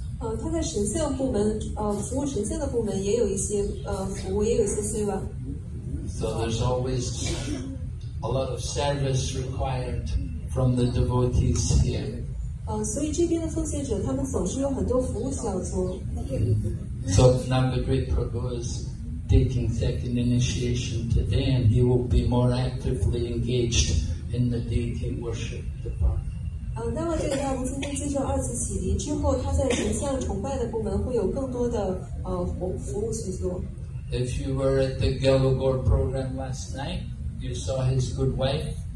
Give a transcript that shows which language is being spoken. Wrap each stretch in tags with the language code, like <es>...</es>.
<en>So there's always a lot of service required from the devotees here. So Navadvip Prabhu is taking second initiation today, and he will be more actively engaged in the deity worship department.</en> <zh>那么这个大部分今天接受二次洗礼之后，他在神像崇拜的部门会有更多的服务去做。</zh> <en>If you were at the Galagor program last night, you saw his good wife.</en>